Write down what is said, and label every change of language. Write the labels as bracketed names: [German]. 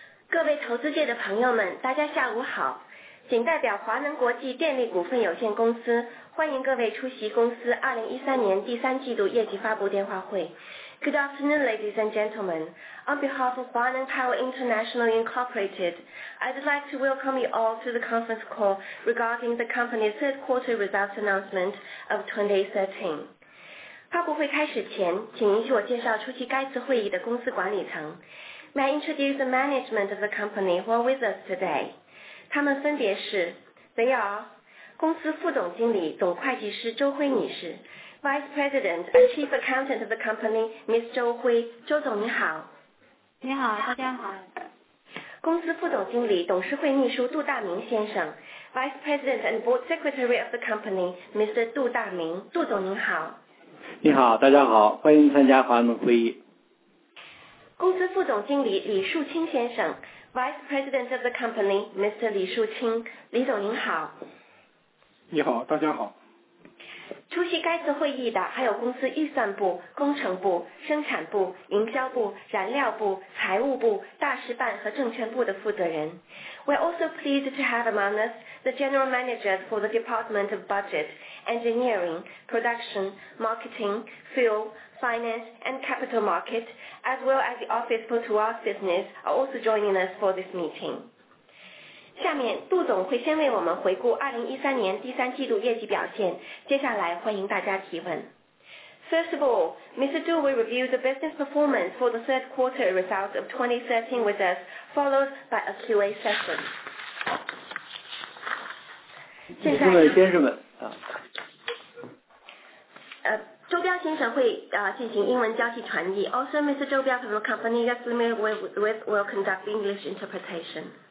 [Chinese] 各位投资界的朋友们，大家下午好，谨代表华能国际电力股份有限公司欢迎各位出席公司2013年第三季度业绩发布电话会。 [English] Good afternoon, ladies and gentlemen. On behalf of 华能 Power International Incorporated, I'd like to welcome you all to the conference call regarding the company's third quarter results announcement of 2013. [Chinese] 发布会开始前，请允许我介绍出席该次会议的公司管理层。 [English] May I introduce the management of the company who are with us today? [Chinese] 他们分别是 [English] They are [Chinese] 公司副总经理总会计师周辉女士 [English] Vice President and Chief Accountant of the company, Ms. [Chinese] 周辉。周总你好。你好，大家好。公司副总经理董事会秘书杜大明先生 [English] Vice President and Board Secretary of the company, Mr. [Chinese] 杜大明。杜总您好。你好，大家好，欢迎参加华能会议。公司副总经理李树清先生 [English] Vice President of the company, Mr. [Chinese] 李树清。李总您好。你好，大家好。出席该次会议的还有公司预算部、工程部、生产部、营销部、燃料部、财务部、大事办和证券部的负责人。 [English] We're also pleased to have among us the general managers for the Department of Budget, Engineering, Production, Marketing, Fuel, Finance and Capital Market, as well as the Office for Towards Business are also joining us for this meeting. [Chinese] 下面杜总会先为我们回顾2013年第三季度业绩表现，接下来欢迎大家提问。 [English] First of all, Mr. Du will review the business performance for the third quarter results of 2013 with us, followed by a Q&A session. [Chinese] 先生们，先生们，周彪先生会进行英文交替传译。 [English] Also, Mr. 周彪 from the company that's limited with will conduct English interpretation.